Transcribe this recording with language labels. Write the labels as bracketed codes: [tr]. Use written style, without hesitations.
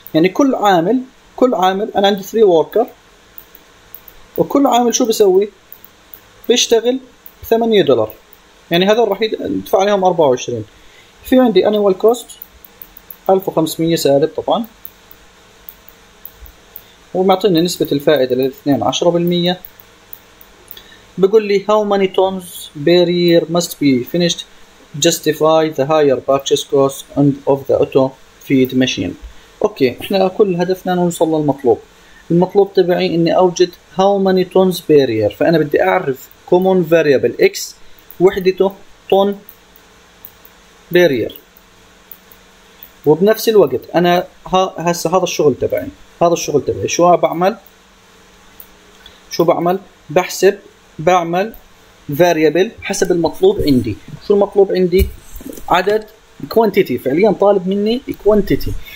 [ar] يعني كل عامل انا عندي 3 وركر، وكل عامل شو بسوي؟ بيشتغل ب 8 دولار، يعني هذول راح يدفع عليهم 24. في عندي انيوال كوست 1500 سالب طبعا، ومعطيني نسبة الفائدة لـ 12%. بيقول لي [en] how many tons per year must be finished justify the higher purchase cost of the auto feed machine. [ar] اوكي، احنا كل هدفنا نوصل للمطلوب. المطلوب تبعي اني اوجد [en] how many tons barrier، [ar] فانا بدي اعرف [en] common variable x [ar] وحدته [en] ton barrier. [ar] وبنفس الوقت انا هسه هذا الشغل تبعي، هذا الشغل تبعي شو بعمل؟ شو بعمل؟ بحسب، بعمل variable حسب المطلوب عندي. شو المطلوب عندي؟ عدد كوانتيتي، فعليا طالب مني كوانتيتي.